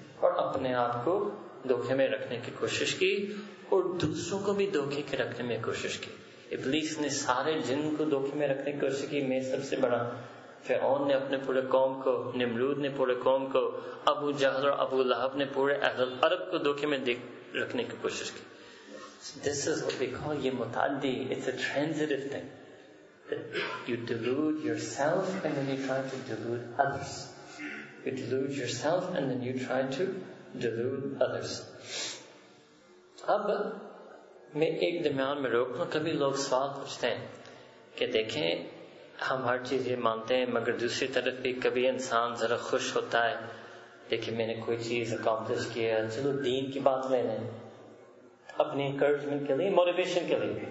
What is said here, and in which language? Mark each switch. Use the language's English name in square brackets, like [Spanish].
[Urdu] اور اپنے آپ کو دھوکے میں رکھنے کی کوشش کی اور دوسروں کو بھی دھوکے کے رکھنے میں کوشش کی. ابلیس نے سارے جن کو دھوکے میں رکھنے کی کوشش کی, میں سب سے بڑا. فرعون نے اپنے پورے قوم کو, نمرود نے پورے قوم کو, ابو جہل اور ابو لہب نے پورے اہل عرب کو دھوکے میں رکھنے کی کوشش کی. [English] this is what we call [Urdu] یہ متعدی, [English] It's a transitive thing. You delude yourself and then you try to delude others. You delude yourself and then you try to delude others. [Urdu] اب میں ایک درمیان میں روک لوں. کبھی لوگ سوال پوچھتے ہیں کہ دیکھیں ہم ہر چیز یہ مانتے ہیں مگر دوسری طرف بھی کبھی انسان ذرا خوش ہوتا ہے, دیکھیں میں نے کوئی چیز اکمپلش کیا, چلو دین کی بات لے لیں اپنی انکریجمنٹ کے لیے, موٹیویشن کے لیے.